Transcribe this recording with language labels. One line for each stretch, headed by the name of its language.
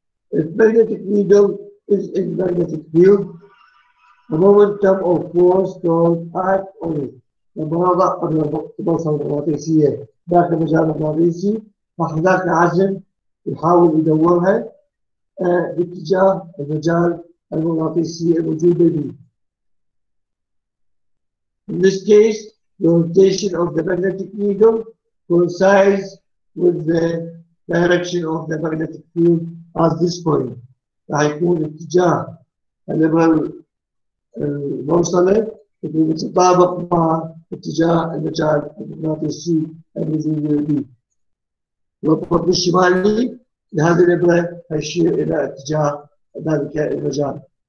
English: If magnetic needle is in magnetic field, the momentum of force will act on it.
Arabic: لما نضع قبل البصمة المغناطيسية داخل المجال المغناطيسي راح ذاك العزم يحاول يدورها باتجاه المجال المغناطيسي الموجود به.
English: In this case, the rotation of the magnetic needle coincides with the direction of the magnetic field at this point.
Arabic: راح يكون اتجاه الإبرة الموصلة يكون متطابق مع اتجاه المجال المغناطيسي الموجود به. القطب الشمالي لهذه الإبرة هيشير إلى اتجاه ذلك المجال.